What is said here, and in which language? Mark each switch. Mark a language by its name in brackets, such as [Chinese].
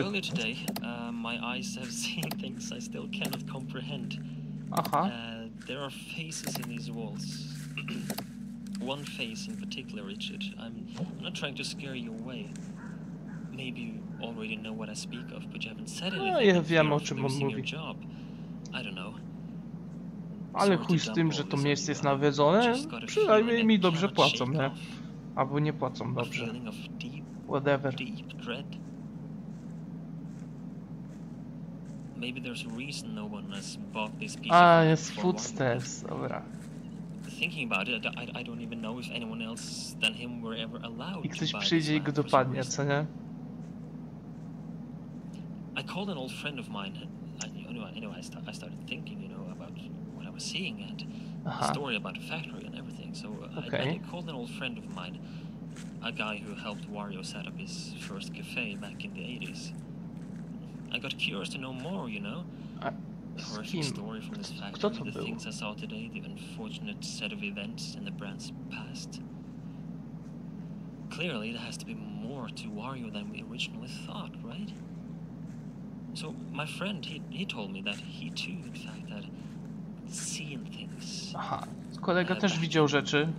[English] Earlier today, my eyes have seen things I still cannot comprehend. [Polish] Aha. [English] There are faces in these walls. One face in particular, Richard. I'm not trying to scare you away. Maybe you already know what I speak of, but you haven't said anything. [Polish] No, ja wiem, o czym on mówi. [English] Job. I don't know. [Polish] Ale chuj z tym, że to miejsce jest nawiedzone. Przynajmniej mi dobrze płacą, nie? Albo nie płacą dobrze. [English] Whatever. Deep dread. Maybe there's a reason no one has bought this piece. Ah, yes, footsteps. [Polish] Dobra. [English] Thinking about it, I don't even know if anyone else than him were ever allowed. [Polish] I ktoś przyjdzie i go dopadnie, co nie? [English] I called an old friend of mine. I started thinking, you know, about what I was seeing and the story about the factory and everything. So I called an old friend of mine, a guy who helped Wario set up his first cafe back in the 80s. I got curious to know more, you know. Story from this factory, the things I saw today, the unfortunate set of events in the brand's past. Clearly, there has to be more to Wario than we originally thought, right? So my friend, he told me that he too, in fact, had seen things. [Polish] Aha, kolega też widział rzeczy.